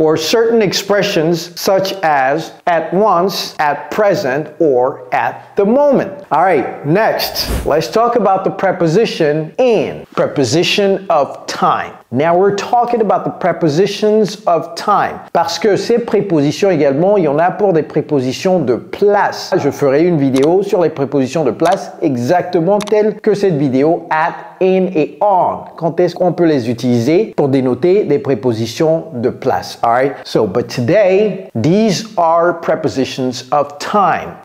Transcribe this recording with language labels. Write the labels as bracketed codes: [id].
[en] Or certain expressions such as at once, at present, or at the moment. All right, next. Let's talk about the preposition in, preposition of time. Now we're talking about the prepositions of time. [fr] Parce que ces prépositions également, il y en a pour des prépositions de place. Je ferai une vidéo sur les prépositions de place exactement telles que cette vidéo at, in et on. Quand est-ce qu'on peut les utiliser pour dénoter des prépositions de place? [en] All right. So, but today, these are prepositions of time.